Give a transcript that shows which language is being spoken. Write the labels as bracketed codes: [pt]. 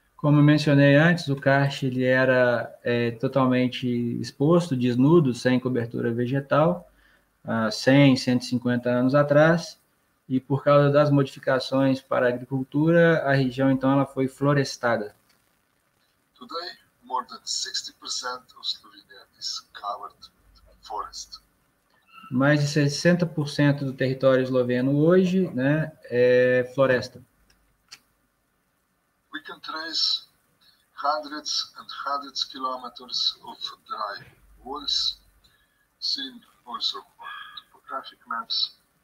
[pt] Como mencionei antes, o karst ele era totalmente exposto, desnudo, sem cobertura vegetal, há 100, 150 anos atrás, e por causa das modificações para a agricultura, a região então ela foi florestada. [en] Today, more than 60% of Slovenia is covered with forest. [pt] Mais de 60% do território esloveno hoje, né, é floresta. [en] trace hundreds and hundreds of kilometers of dry walls, seen also on topographic maps.